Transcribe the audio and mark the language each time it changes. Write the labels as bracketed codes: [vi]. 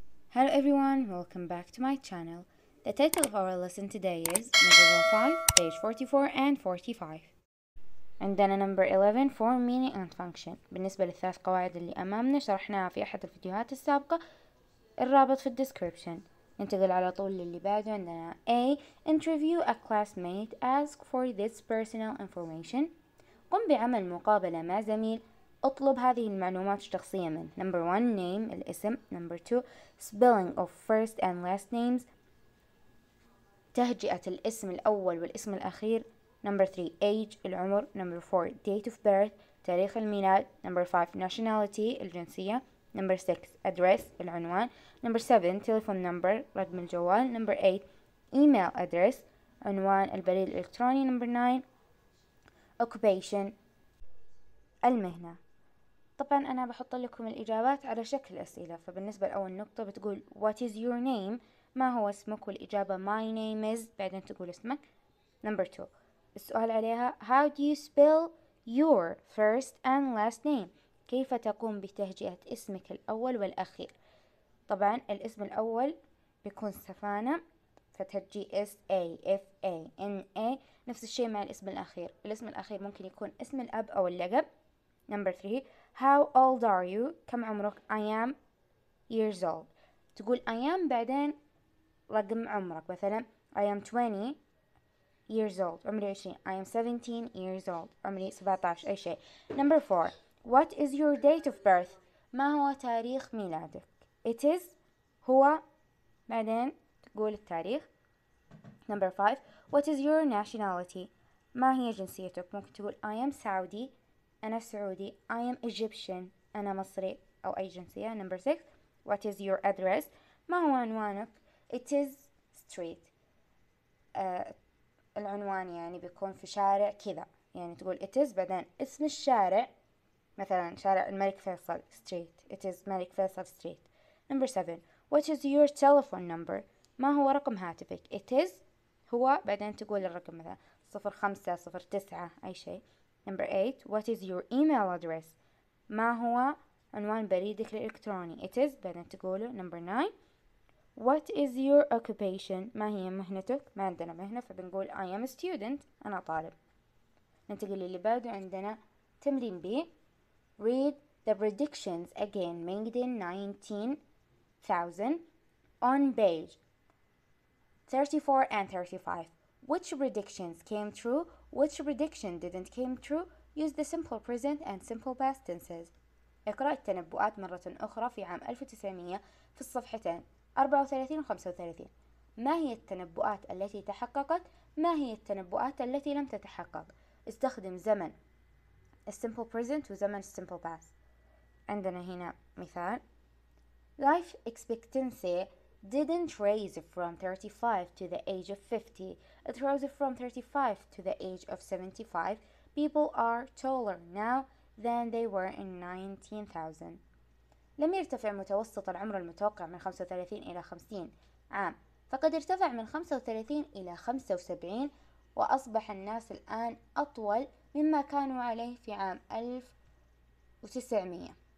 [en] Hello everyone, welcome back to my channel. The title of our lesson today is number 5, page 44 and 45. [ar] عندنا [en] number 11, form, meaning and function. [ar] بالنسبة للثلاث قواعد اللي أمامنا شرحناها في أحد الفيديوهات السابقة, الرابط في الديسكريبشن. ننتقل على طول للي بعده. عندنا [en] A, interview a classmate, ask for this personal information. [ar] قم بعمل مقابلة مع زميل, اطلب هذه المعلومات الشخصية من [en] number 1 name [ar] الاسم, [en] number 2 spelling of first and last names [ar] تهجئة الاسم الاول والاسم الاخير, [en] number 3 age [ar] العمر, [en] number 4 date of birth [ar] تاريخ الميلاد, [en] number 5 nationality [ar] الجنسية, [en] number 6 address [ar] العنوان, [en] number 7 telephone number [ar] رقم الجوال, [en] number 8 email address [ar] عنوان البريد الالكتروني, [en] number 9 occupation [ar] المهنة. طبعا أنا بحط لكم الإجابات على شكل أسئلة, فبالنسبة لأول نقطة بتقول [en] What is your name؟ [ar] ما هو اسمك؟ والإجابة [en] My name is, [ar] بعدين تقول اسمك. [en] Number 2 [ar] السؤال عليها [en] How do you spell your first and last name؟ [ar] كيف تقوم بتهجئة اسمك الأول والأخير؟ طبعا الاسم الأول بيكون سفانة, فتهجي S-A-F-A-N-A, نفس الشيء مع الاسم الأخير. الاسم الأخير ممكن يكون اسم الأب أو اللقب. [en] Number 3 How old are you? [ar] كم عمرك? [en] I am years old. [ar] تقول [en] I am [ar] بعدين رقم عمرك. مثلا [en] I am 20 years old. [ar] عمري 20. [en] I am 17 years old. [ar] عمري 17. أي شيء. [en] Number 4. What is your date of birth? [ar] ما هو تاريخ ميلادك? [en] It is. [ar] هو. بعدين تقول التاريخ. [en] Number 5. What is your nationality? [ar] ما هي جنسيتك? ممكن تقول [en] I am Saudi. [ar] أنا سعودي. [en] I am Egyptian. [ar] أنا مصري أو أي جنسية. [en] Number 6. What is your address? [ar] ما هو عنوانك? [en] It is street. [ar] العنوان يعني بيكون في شارع كذا. يعني تقول [en] it is [ar] بعدين اسم الشارع. مثلا شارع الملك فيصل street. [en] It is ملك Faisal street. Number 7. What is your telephone number? [ar] ما هو رقم هاتفك? [en] It is. [ar] هو بعدين تقول الرقم مثلا 0509 أي شيء. [en] Number 8. What is your email address? [ar] ما هو عنوان بريدك الإلكتروني? [en] It is. [ar] بعدين تقوله. [en] Number 9. What is your occupation? [ar] ما هي مهنتك? ما عندنا مهنة فبنقول [en] I am a student. [ar] أنا طالب. ننتقل للي بعده. عندنا تمرين B. [en] Read the predictions again. Made in 19,000 on page 34 and 35. Which predictions came true? Which prediction didn't came true? Use the simple present and simple past tenses. [ar] اقرأ التنبؤات مرة أخرى في عام 1900 في الصفحتين 34 و35. ما هي التنبؤات التي تحققت؟ ما هي التنبؤات التي لم تتحقق؟ استخدم زمن simple present وزمن simple past. عندنا هنا مثال. [en] Life expectancy didn't raise from 35 to the age of 50. It rose from 35 to the age of 75. People are taller now than they were in 19,000. [ar] لم يرتفع متوسط العمر المتوقع من 35 إلى 50 عام. فقد ارتفع من 35 إلى 75 وأصبح الناس الآن أطول مما كانوا عليه في عام 1900.